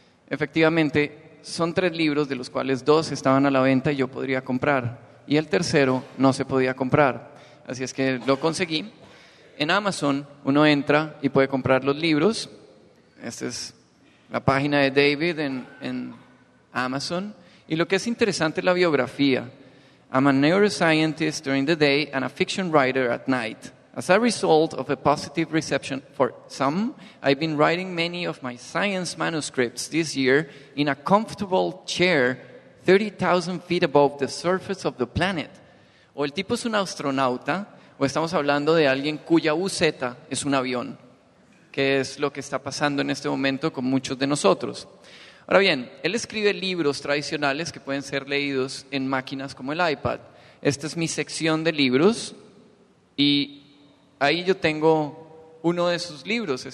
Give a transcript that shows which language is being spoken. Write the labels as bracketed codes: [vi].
[es] Efectivamente, son 3 libros de los cuales 2 estaban a la venta y yo podría comprar. Y el tercero no se podía comprar, así es que lo conseguí. En Amazon uno entra y puede comprar los libros. Esta es la página de David en Amazon. Y lo que es interesante es la biografía. [en] I'm a neuroscientist during the day and a fiction writer at night. As a result of a positive reception for some, I've been writing many of my science manuscripts this year in a comfortable chair 30,000 feet above the surface of the planet. [es] O el tipo es un astronauta, o estamos hablando de alguien cuya UZ es un avión, que es lo que está pasando en este momento con muchos de nosotros. Ahora bien, él escribe libros tradicionales que pueden ser leídos en máquinas como el iPad. Esta es mi sección de libros, y ahí yo tengo uno de sus libros.